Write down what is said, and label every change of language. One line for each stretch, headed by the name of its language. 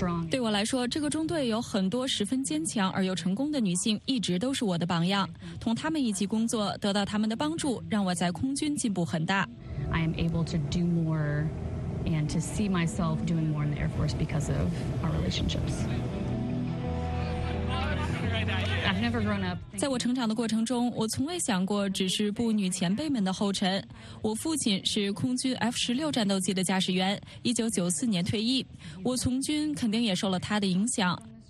Chinese: 对我来说，这个中队有很多十分坚强而又成功的女性，一直都是我的榜样。同她们一起工作，得到她们的帮助，让我在空军进步很大。
English: I am able to do more and to see myself doing more in the Air Force because of our relationships. I've never grown up.
Chinese: 在我成长的过程中，我从未想过只是步女前辈们的后尘。我父亲是空军 F-16 战斗机的驾驶员，1994年退役。我从军肯定也受了他的影响。